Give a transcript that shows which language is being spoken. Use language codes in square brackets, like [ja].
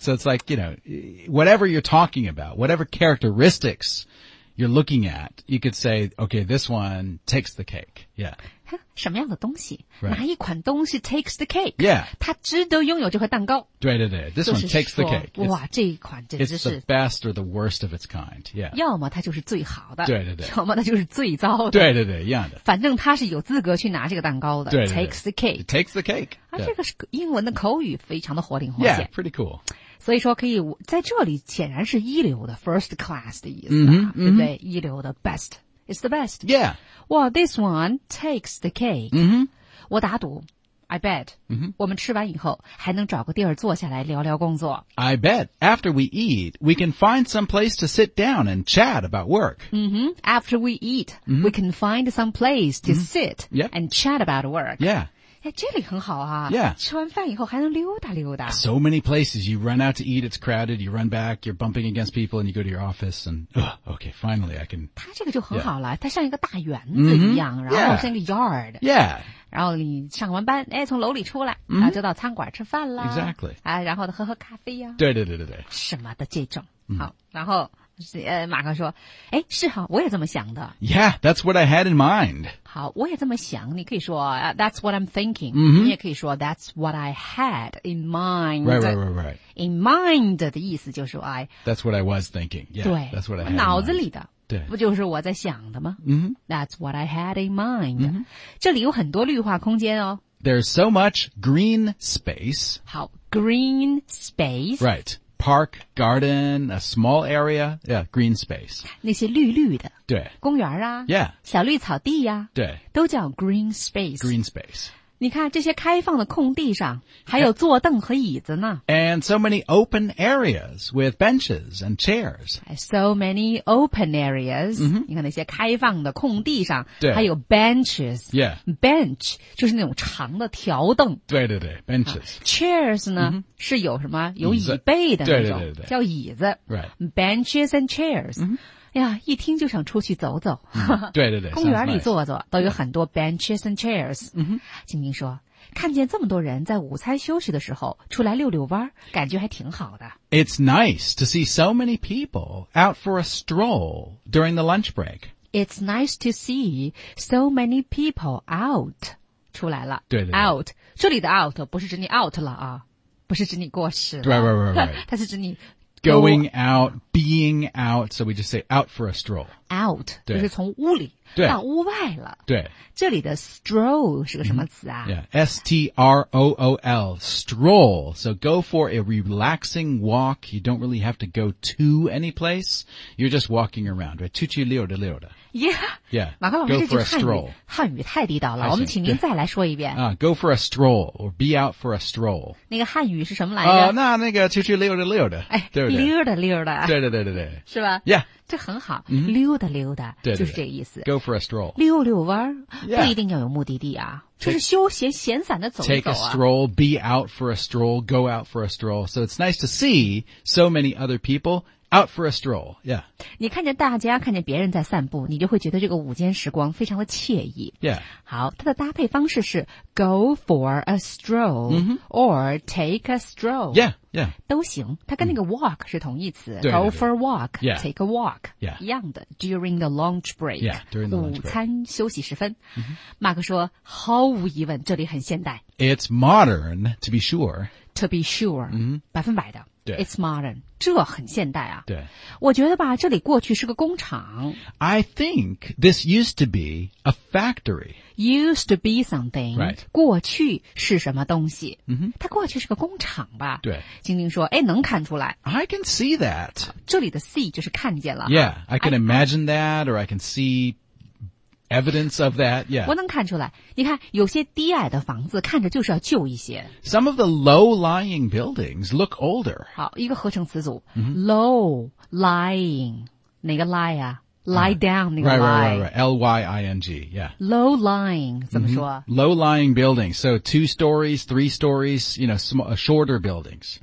[en] So it's like, you know, whatever you're talking about, whatever characteristics you're looking at, you could say, okay, this one takes the cake. Yeah. [zh] 什么样的东西、 [en] right. [zh] 哪一款东西 [en] takes the cake? Yeah. [zh] 它值得拥有这块蛋糕。对对对。 [en] This one takes the cake. [zh] 哇这一款真的是。 [en] It's the best or the worst of its kind. Yeah. [zh] 要么它就是最好的。对对对。要么它就是最糟的。对对对一样的。反正它是有资格去拿这个蛋糕的。对对对 [en] takes the cake. It takes the cake.、 [zh] 啊、这个是英文的口语非常的活灵活现。 [en] Yeah, pretty cool. [zh] 所以说可以在这里显然是一流的 first class 的意思、啊对不对、 [en] mm-hmm. [zh] 一流的 [en] best It's the best Yeah Well this one takes the cake、 mm-hmm. [zh] 我打赌 [en] I bet、 mm-hmm. [zh] 我们吃完以后还能找个地儿坐下来聊聊工作 [en] I bet After we eat We can find some place to sit down and chat about work、 mm-hmm. After we eat、 mm-hmm. We can find some place to、mm-hmm. sit、 yep. and chat about work Yeah [zh] 哎，这里很好啊 [en] Yeah. [zh] 吃完饭以后还能溜达溜达。 [en] So many places. You run out to eat, it's crowded, you run back, you're bumping against people, and you go to your office, and, okay, finally I can. [zh] 它这个就很好了、yeah. 它像一个大园子一样、 [en] mm-hmm. [zh] 然后像一个 yard. [en] Yeah. [zh] 然后你上完班哎，从楼里出来、 [en] mm-hmm. [zh] 然后就到餐馆吃饭了。 [en] Exactly. [zh] 啊，然后喝喝咖啡呀。对对对对对。什么的这种。 [en] Mm-hmm. [zh] 好然后马克说哎，是哈，我也这么想的。 [en] Yeah, that's what I had in mind. [zh] 好，我也这么想，你可以说 [en] that's what I'm thinking、 mm-hmm. [zh] 你也可以说 [en] that's what I had in mind. Right, right, right, right. [zh] In mind 的意思就是 I [en] That's what I was thinking. Yeah, [zh] 对 [en] that's what I had [zh] 脑子里的对不就是我在想的吗、 [en] mm-hmm. That's what I had in mind、 mm-hmm. [zh] 这里有很多绿化空间哦 [en] There's so much green space. 好 green space. Right. Park, garden, a small area, yeah, green space. [zh] 那些绿绿的。对。公园啊。 [en] Yeah. [zh] 小绿草地啊。对。都叫 green space. [en] Green space. [zh] 你看这些开放的空地上还有坐凳和椅子呢。 [en] And so many open areas with benches and chairs. So many open areas.、 Mm-hmm. [zh] 你看那些开放的空地上对还有 benches. [en] Yeah. [zh] Bench, 就是那种长的条凳。对对对 ,benches.、 [en] 啊、chairs 呢、mm-hmm. [zh] 是有什么有椅背的那种对对对对叫椅子。 [en] Right. Benches and chairs.、 Mm-hmm. [zh] 哎呀，一听就想出去走走。嗯、对对对，公园里坐坐、 [en] nice. [zh] 都有很多 [en] benches and chairs。 [zh] 嗯哼，静静说，看见这么多人在午餐休息的时候出来溜溜弯，感觉还挺好的。 [en] It's nice to see so many people out for a stroll during the lunch break. It's nice to see so many people out [zh] 出来了。对对对，out 这里的 out 不是指你 out 了啊，不是指你过时了。对对对对，它是指你。 [en] Going out, being out, so we just say out for a stroll. Out, [zh] 对就是从屋里到屋外了。对。这里的 stroll 是个什么词啊、 [en] mm-hmm. Yeah, S-T-R-O-O-L, stroll. So go for a relaxing walk. You don't really have to go to any place. You're just walking around, right? [zh] 出去溜达溜达。 [en] Yeah, go for a stroll. [zh] 汉语太地道了，我们请您再来说一遍。 [en] Go for a stroll, or be out for a stroll. [zh] 那个汉语是什么来着？那个出去溜达溜达。哎，对溜达溜达。对对对对对。是吧 [en] ？Yeah, [zh] 这很好，溜达溜达，就是这意思。 [en] Go for a stroll. [zh] 溜溜弯不一定要有目的地啊，就是休闲闲散的走一走啊。 [en] Take a stroll, be out for a stroll, go out for a stroll. So it's nice to see so many other people. Out for a stroll, yeah. [zh] 你看见大家看见别人在散步你就会觉得这个午间时光非常的惬意。 [en] Yeah. [zh] 好它的搭配方式是 [en] go for a stroll、 mm-hmm. or take a stroll. Yeah, yeah. [zh] 都行它跟那个 walk 是同义词。 [en] Mm. Go for a walk,、 yeah. take a walk. Yeah. [zh] 一样的 [en] during the lunch break. Yeah, during the lunch break. [zh] 午餐休息时分。 [en] Mm-hmm. [zh] 马克说毫无疑问这里很现代。 [en] It's modern, to be sure. To be sure,、 mm-hmm. [zh] 百分百的。 [en] It's modern. [zh] 这很现代啊。对。我觉得吧这里过去是个工厂。 [en] I think this used to be a factory. Used to be something. Right. [zh] 过去是什么东西。嗯哼。它过去是个工厂吧。对。晶晶说诶能看出来。 [en] I can see that. [zh] 这里的 see 就是看见了。 [en] Yeah, I can imagine that or I can see evidence of that, yeah. [zh] 我能看出来。你看有些低矮的房子看着就是要旧一些。 [en] Some of the low-lying buildings look older. [zh] 好一个合成词组。 [en] Mm-hmm. Low-lying, 哪个 lie 啊 ?Lie down, 那个 lie. Right. L-Y-I-N-G, yeah. [zh] Low-lying, 怎么说、 [en] mm-hmm. Low-lying buildings. So two stories, three stories, you know, shorter buildings.